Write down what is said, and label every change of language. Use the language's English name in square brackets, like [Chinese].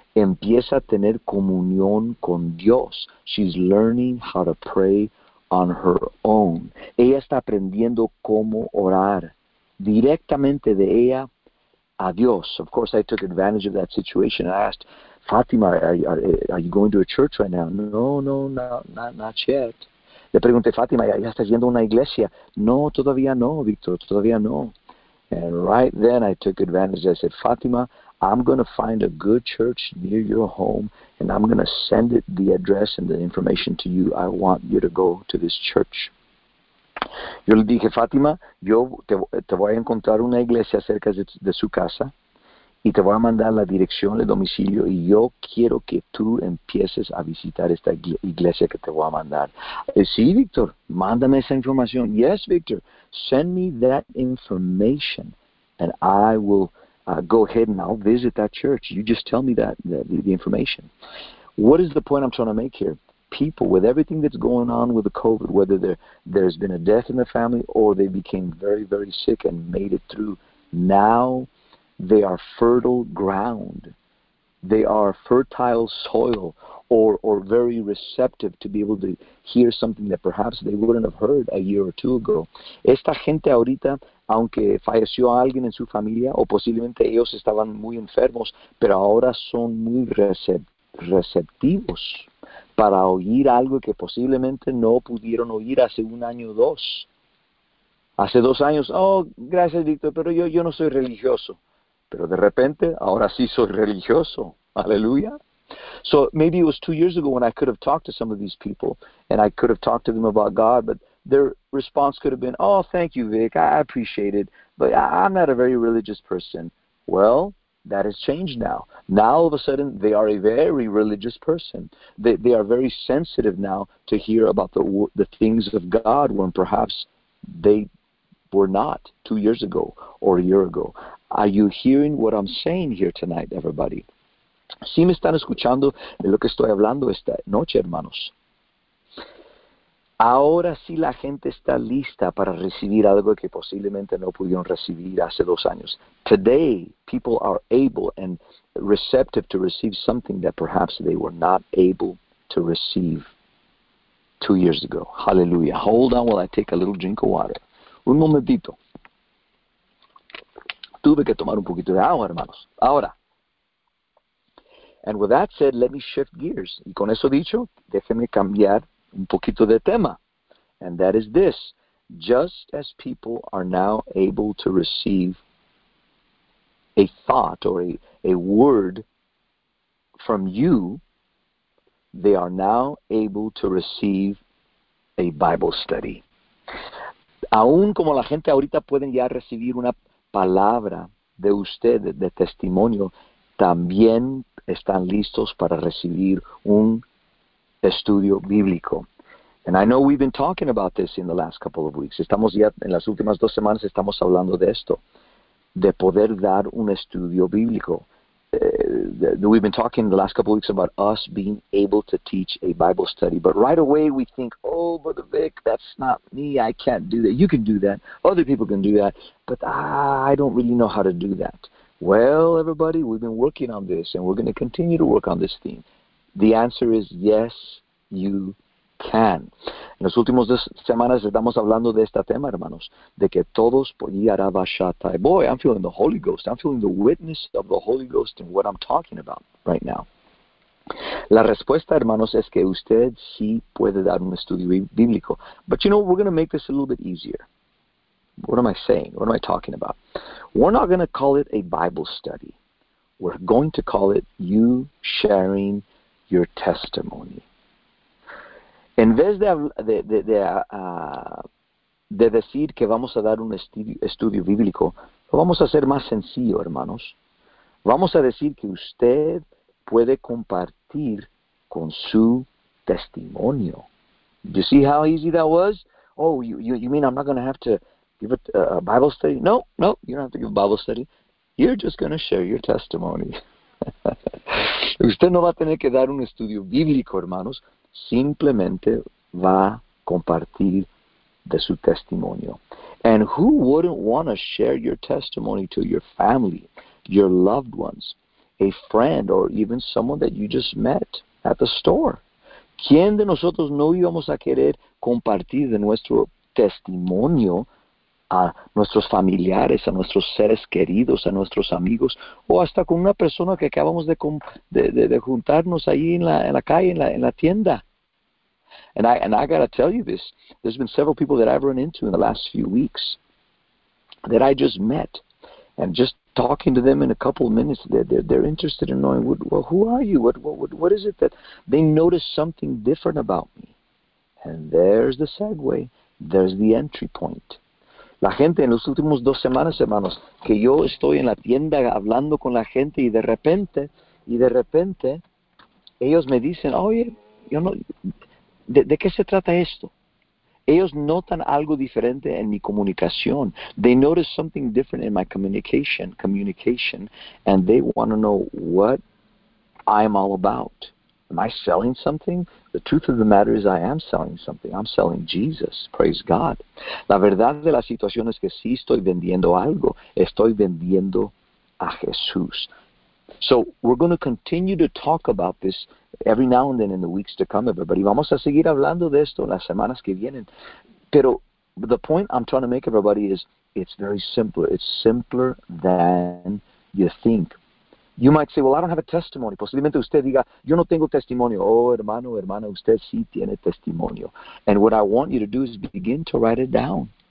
[Spanish] Empieza a tener comunión con Dios. [English] She's learning how to pray on her own. [Spanish] Ella está aprendiendo cómo orar directamente de ella a Dios. [English] Of course, I took advantage of that situation. I asked, Fátima, are you going to a church right now? No, not yet. [Spanish] Le pregunté, Fátima, ¿ya estás yendo a una iglesia? No, todavía no, Víctor, todavía no. [English] And right then I took advantage. I said, Fátima, I'm going to find a good church near your home, and I'm going to send it the address and the information to you. I want you to go to this church. [Spanish] Yo le dije, Fátima, yo te voy a encontrar una iglesia cerca de su casa, y te voy a mandar la dirección de domicilio, y yo quiero que tú empieces a visitar esta iglesia que te voy a mandar. Sí, Víctor, mándame esa información. [English] Yes, Víctor, send me that information, and I will go ahead and I'll visit that church. You just tell me that the information. What is the point I'm trying to make here? People, with everything that's going on with the COVID, whether there's been a death in the family or they became very, very sick and made it through, now they are fertile ground. They are fertile soil or very receptive to be able to hear something that perhaps they wouldn't have heard a year or two ago. [Spanish] Esta gente ahorita, aunque falleció alguien en su familia, o posiblemente ellos estaban muy enfermos, pero ahora son muy receptivos para oír algo que posiblemente no pudieron oír hace un año o dos. Hace dos años, oh, gracias, Víctor, pero yo no soy religioso. Pero de repente, ahora sí soy religioso. Aleluya. [English] So maybe it was 2 years ago when I could have talked to some of these people and I could have talked to them about God, but their response could have been, oh, thank you, Vic. I appreciate it. But I'm not a very religious person. Well, that has changed now. Now, all of a sudden, they are a very religious person. They are very sensitive now to hear about the things of God when perhaps they were not 2 years ago or a year ago. Are you hearing what I'm saying here tonight, everybody? [Spanish] ¿Sí me están escuchando de lo que estoy hablando esta noche, hermanos? Ahora sí la gente está lista para recibir algo que posiblemente no pudieron recibir hace dos años. [English] Today, people are able and receptive to receive something that perhaps they were not able to receive 2 years ago. Hallelujah. Hold on while I take a little drink of water. [Spanish] Un momentito. Tuve que tomar un poquito de agua, hermanos. Ahora. [English] And with that said, let me shift gears. [Spanish] Y con eso dicho, déjeme cambiar un poquito de tema. [English] And that is this. Just as people are now able to receive a thought or a word from you, they are now able to receive a Bible study. [Spanish] Aún como la gente ahorita pueden ya recibir una palabra de usted, de testimonio, también están listos para recibir un estudio bíblico. [English] And I know we've been talking about this in the last couple of weeks. [Spanish] Estamos ya en las últimas dos semanas, estamos hablando de esto, de poder dar un estudio bíblico. [English] We've been talking in the last couple of weeks about us being able to teach a Bible study. But right away we think, oh, Brother Vic, that's not me. I can't do that. You can do that. Other people can do that. But I don't really know how to do that. Well, everybody, we've been working on this, and we're going to continue to work on this theme. The answer is yes, you can. [Spanish] En las últimas dos semanas estamos hablando de este tema, hermanos, de que todos podíamos hablar. [English] Boy, I'm feeling the Holy Ghost. I'm feeling the witness of the Holy Ghost in what I'm talking about right now. [Spanish] La respuesta, hermanos, es que usted sí puede dar un estudio bíblico. [English] But you know, we're going to make this a little bit easier. What am I saying? What am I talking about? We're not going to call it a Bible study. We're going to call it you sharing your testimony. [Spanish] En vez de decir que vamos a dar un estudio bíblico, lo vamos a hacer más sencillo, hermanos. Vamos a decir que usted puede compartir con su testimonio. [English] Did you see how easy that was? Oh, you mean I'm not going to have to give a Bible study? No, no, you don't have to give a Bible study. You're just going to share your testimony. [Spanish] Usted no va a tener que dar un estudio bíblico, hermanos. Simplemente va a compartir de su testimonio. [English] And who wouldn't want to share your testimony to your family, your loved ones, a friend, or even someone that you just met at the store? [Spanish] ¿Quién de nosotros no íbamos a querer compartir de nuestro testimonio a nuestros familiares, a nuestros seres queridos, a nuestros amigos, o hasta con una persona que acabamos de juntarnos ahí en la calle, en la tienda? [English] And I gotta tell you this, there's been several people that I've run into in the last few weeks that I just met, and just talking to them in a couple of minutes, they're interested in knowing, well, who are you? What is it that they notice something different about me? And there's the segue, there's the entry point. [Spanish] La gente en los últimos dos semanas, hermanos, que yo estoy en la tienda hablando con la gente y de repente, ellos me dicen, oye, yo no, ¿de qué se trata esto? ellos notan algo diferente en mi comunicación. [English] They notice something different in my communication, and they want to know what I'm all about. Am I selling something? The truth of the matter is I am selling something. I'm selling Jesus. Praise God. [Spanish] La verdad de la situación es que sí estoy vendiendo algo. Estoy vendiendo a Jesús. [English] So we're going to continue to talk about this every now and then in the weeks to come, everybody. [Spanish] Vamos a seguir hablando de esto en las semanas que vienen. [English] Pero the point I'm trying to make, everybody, is it's very simple. It's simpler than you think. You might say, well, I don't have a testimony. [Spanish] Posiblemente usted diga, yo no tengo testimonio. Oh, hermano, hermana, usted sí tiene testimonio. [English] And what I want you to do is begin to write it down.